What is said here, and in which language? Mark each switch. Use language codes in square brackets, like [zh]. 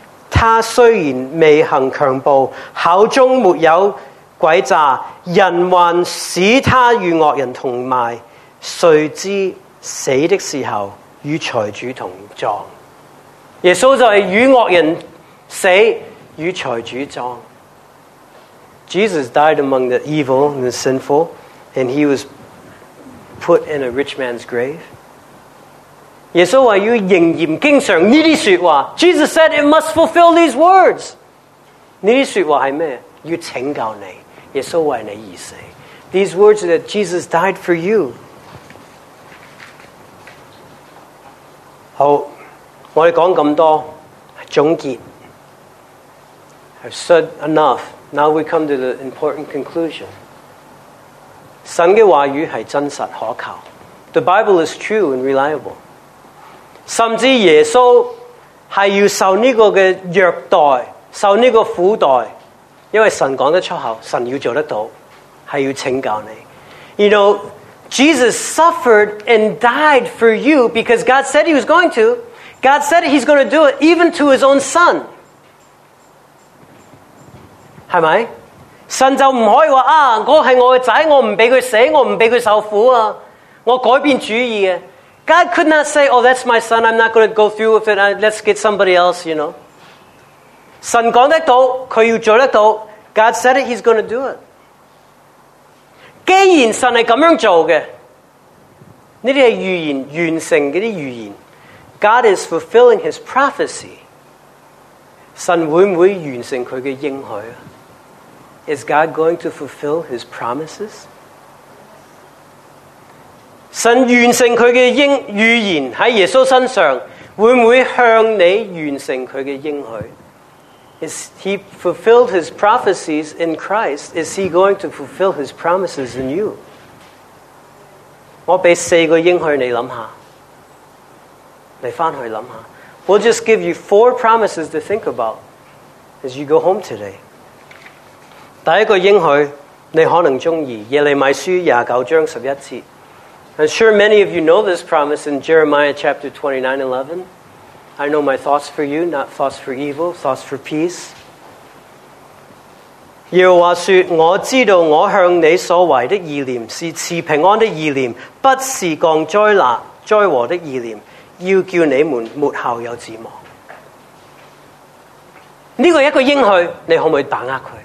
[zh] 他虽然未行强暴，口中没有诡诈，人还使他与恶人同埋，谁知死的时候与财主同葬？耶稣就是与恶人死，与财主葬。 [en] Jesus died among the evil and the sinful, and he was put in a rich man's grave. [zh] 耶稣说要应验经常这些说话。 [en] Jesus said it must fulfill these words. [zh] 这些说话是什么？要拯救你。耶稣为你而死。 [en] These words are that Jesus died for you. [zh] 好，我们讲这么多，总结。 [en] I've said enough. Now we come to the important conclusion. [zh] 神的话语是真实可靠。 [en] The Bible is true and reliable. [zh] 甚至耶稣是要受这个虐待，受这个苦待，因为神讲得出口，神要做得到，是要拯救你。 [en] You know, Jesus suffered and died for you because God said he was going to. God said he's going to do it even to his own son. [zh] 是不是？神就不可以说，啊，那是我的仔，我不让他死，我不让他受苦啊，我改变主意啊。 [en] God could not say, oh, that's my son, I'm not going to go through with it, let's get somebody else, you know. [zh] 神讲得到，他要做得到， [en] God said it, he's going to do it. [zh] 既然神是这样做的，这些是预言，完成的预言。 [en] God is fulfilling his prophecy. [zh] 神会不会完成他的应许？ [en] Is God going to fulfill his promises? [zh] 神完成祂的预言在耶稣身上，会不会向你完成祂的应许？ [en] Is he fulfilled his prophecies in Christ? Is he going to fulfill his promises in you? [zh] 我给四个应许你想想，你回去想想。 [en] We'll just give you four promises to think about as you go home today. 第一个应许你可能喜欢，耶利米书29章11节。 I'm sure many of you know this promise in Jeremiah chapter 29:11. I know my thoughts for you, not thoughts for evil, thoughts for peace. [zh] 耶和华说，我知道我向你所怀的意念是赐平安的意念，不是降灾难灾祸的意念，要叫你们末后有指望。这个一个应许，你可不可以把握它？